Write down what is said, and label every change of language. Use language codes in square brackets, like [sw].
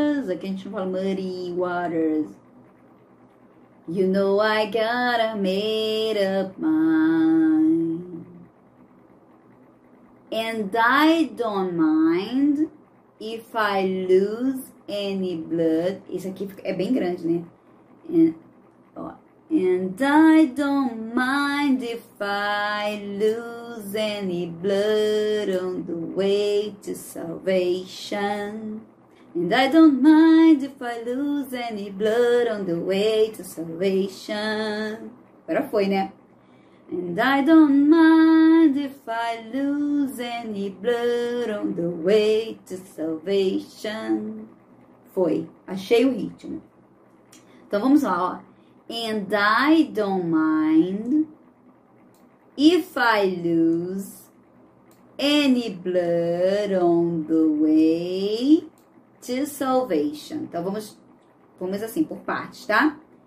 [pt] Aqui a gente não fala [en] muddy waters. You know I gotta made up mind. And I don't mind if I lose any blood. [pt] Isso aqui é bem grande, né? [en] And I don't mind if I lose any blood on the way to salvation. And I don't mind if I lose any blood on the way to salvation. [pt] Agora foi, né? [en] And I don't mind if I lose any blood on the way to salvation. [pt] Foi. Achei o ritmo. Então, vamos lá, ó. [en] And I don't mind if I lose any blood on the way to salvation. [pt] Então, vamos assim, por partes, tá?